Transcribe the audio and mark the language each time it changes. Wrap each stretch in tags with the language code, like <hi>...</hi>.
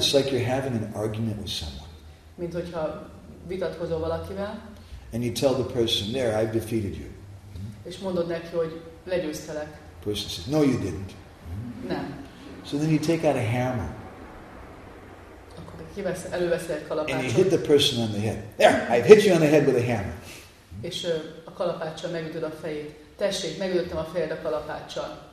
<en>It's like you're having an argument with someone.</en> <hu>Mint hogyha vitatkozol valakivel.</hu> <en>And you tell the person, there, I've defeated you.</en> <hu>És mondod neki, hogy legyőztelek.</hu> <en>The person says, no, you didn't.</en> <hu>Nem.</hu> <en>So then you take out a hammer.</en> <hu>Akkor előveszel egy kalapácsot.</hu> <en>And you hit the person on the head. There, I've hit you on the head with a hammer.</en> <hu>És a kalapáccsal megütöd a fejét. Tessék, megütöttem a fejed a kalapáccsal.</hu>